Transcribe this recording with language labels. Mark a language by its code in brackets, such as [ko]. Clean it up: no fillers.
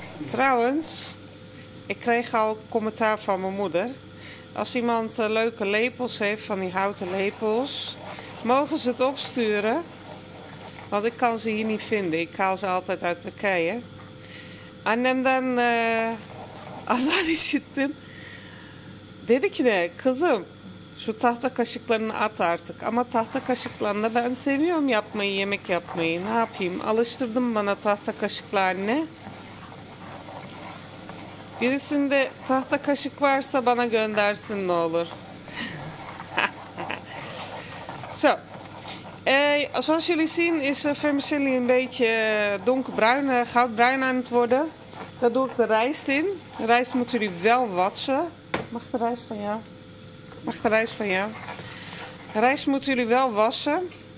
[nl] Trouwens, ik kreeg al commentaar van mijn moeder. Als iemand leuke lepels heeft, van die houten lepels, mogen ze het opsturen. Want ik kan ze hier niet vinden. Ik haal ze altijd uit Turkije. [tr] Annemden azar işittim. Dedi ki de kızım şu tahta kaşıklarını at artık. Ama tahta kaşıklarını ben seviyorum yapmayı, yemek yapmayı. Ne yapayım? Alıştırdın bana tahta kaşıkla anne. Birisinde tahta kaşık varsa bana göndersin ne olur. [nl] So. Zoals jullie zien is vermicelli een beetje donkerbruin, goudbruin aan het worden. Daar doe ik de rijst in. De rijst moeten jullie wel wassen. Mag de rijst van jou? Mag de rijst van jou? De rijst moeten jullie wel wassen.